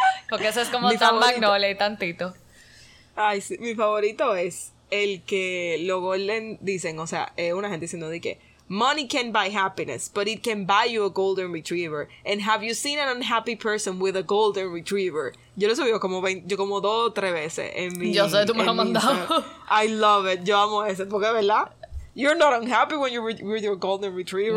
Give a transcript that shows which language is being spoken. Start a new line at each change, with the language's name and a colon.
Spanish: Porque eso es como mi tan favorito. Magnolia y tantito. Ay, sí, mi favorito es el que los golden dicen, o sea, una gente diciendo de que
English: money can buy happiness, but it can buy you a golden retriever. And have you seen an unhappy person with a golden retriever?
Spanish: Yo lo he subido como dos o tres veces en mi... Yo sé, tú me lo has mandado.
English: I love it.
Spanish: Yo amo ese. Porque, ¿verdad?
English: You're not unhappy when you're with your golden retriever.